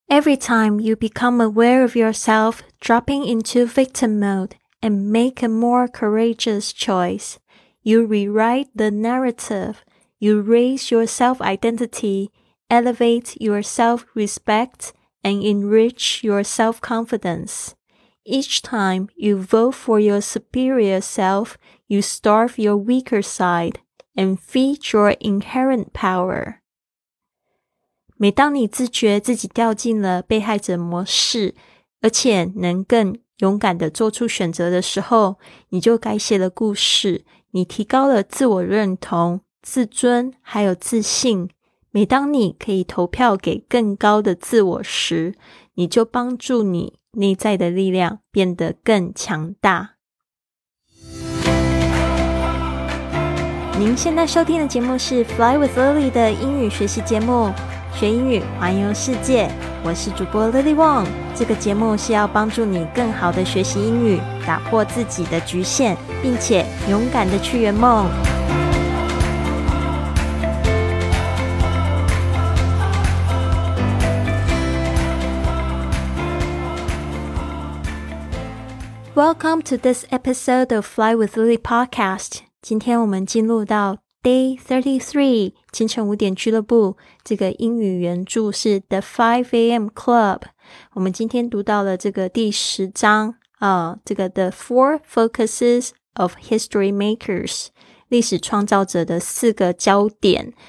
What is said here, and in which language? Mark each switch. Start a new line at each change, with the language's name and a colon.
English: Every time you become aware of yourself dropping into victim mode and make a more courageous choice, you rewrite the narrative, you raise your self-identity, elevate your self-respect, and enrich your self-confidence. Each time you vote for your superior self, you starve your weaker side and feed your inherent power.
Chinese: 每当你自觉自己掉进了被害者模式，而且能更勇敢地做出选择的时候，你就改写了故事，你提高了自我认同、自尊还有自信。每当你可以投票给更高的自我时，你就帮助你内在的力量变得更强大。您现在收听的节目是 Fly with Lily 的英语学习节目，学英语环游世界，我是主播 Lily Wong。这个节目是要帮助你更好的学习英语，打破自己的局限，并且勇敢的去圆梦。
English: Welcome to this episode of Fly with Lily podcast.
Chinese: 今天我们进入到 Day 33, 清晨五点俱乐部。这个英语原著是 The 5 AM Club. 我们今天读到了这个第十章，这个 The 4 Focuses of History Makers, 历史创造者的四个焦点。